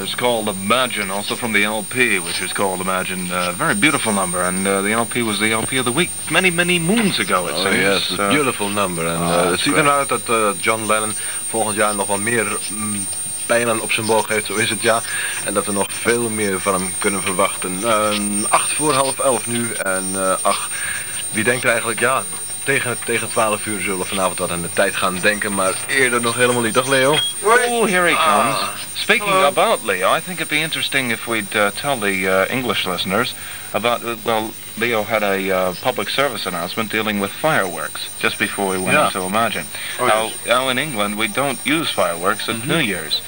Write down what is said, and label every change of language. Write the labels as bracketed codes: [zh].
[en] It's called Imagine, also from the LP, which is called Imagine. Very beautiful number, and the LP was the LP of the week many, many moons ago, it seems. Oh, yes, a beautiful number. And it's even out that [nl] John Lennon volgend jaar nog wat meer pijlen op zijn boog heeft, zo is het, ja. En dat we nog veel meer van hem kunnen verwachten. 8:30 nu, en ach, wie denkt er eigenlijk, ja, tegen 12 uur zullen we vanavond wat aan de tijd gaan denken, maar eerder nog helemaal niet. Dag Leo. [en] Oh, here he comes. Speaking about Leo, I think it'd be interesting if we'd tell the English listeners about, well, Leo had a public service announcement dealing with fireworks just before we went into Imagine. Oh, now, yes. Now, in England, we don't use fireworks at New Year's.